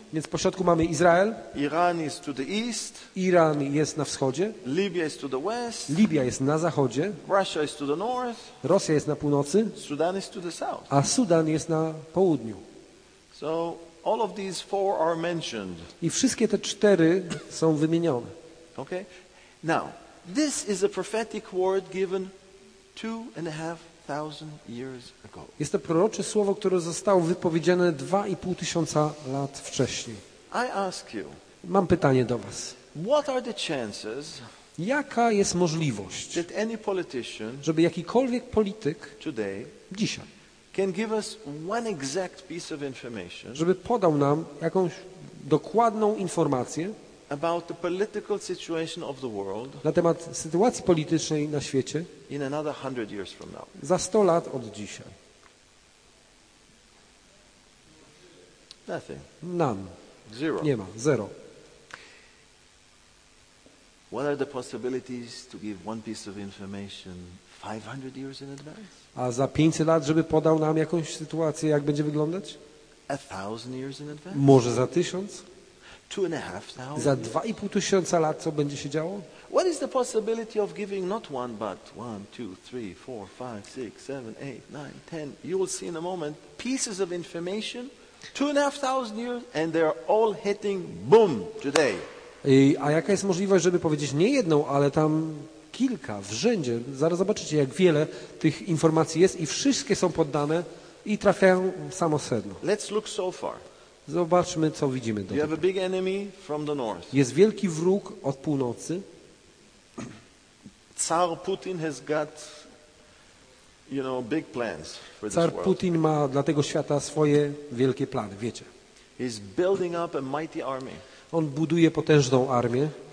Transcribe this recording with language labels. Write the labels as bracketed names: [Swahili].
[Polish] Więc pośrodku mamy Izrael. [English] Iran is to the east. [Polish] Iran jest na wschodzie. [English] Libya is to the west. [Polish] Libia jest na zachodzie. [English] Russia is to the north. [Polish] Rosja jest na północy. [English] Sudan is to the south. [Polish] A Sudan jest na południu. [English] So all of these four are mentioned. [Polish] I wszystkie te cztery są wymienione. [English] Okay. Now, this is a prophetic word given 2,500 years ago. [Polish] Jest to prorocze słowo, które zostało wypowiedziane 2,500 lat wcześniej. [English] I ask you. [Polish] Mam pytanie do was. [English] What are the chances? [Polish] Jaka jest możliwość, [English] that any politician, [Polish] żeby jakikolwiek polityk [English] today, [Polish] dzisiaj, [English] can give us one exact piece of information, [Polish] żeby podał nam jakąś dokładną informację [English] about the political situation of the world, [Polish] na temat sytuacji politycznej na świecie [English] in another 100 years from now. [Polish] Za 100 lat od dzisiaj. [English] Nothing. None. Zero. [Polish] Nie ma. Zero. [English] What are the possibilities to give one piece of information 500 years in advance? [Polish] A za 500 lat, żeby podał nam jakąś sytuację, jak będzie wyglądać? [English] A 1,000 years in advance? [Polish] Może za 1,000? [English] 2,500? [Polish] Za 2,500 lat, co będzie się działo? [English] What is the possibility of giving not one, but 1, 2, 3, 4, 5, 6, 7, 8, 9, 10, you will see in a moment, pieces of information, 2,500 years, and they are all hitting boom today. [Polish] A jaka jest możliwość, żeby powiedzieć nie jedną, ale tam kilka w rzędzie. Zaraz zobaczycie, jak wiele tych informacji jest i wszystkie są poddane i trafiają w samo sedno. [English] Let's look so far. [Polish] Zobaczmy, co widzimy. [English] You have a big enemy from the north. [Polish] Jest wielki wróg od północy. [English] Car Putin has got, you know, big plans for this world. [Polish] Car Putin ma dla tego świata swoje wielkie plany, wiecie. [English] He's building up a mighty army. [Polish] On buduje potężną armię.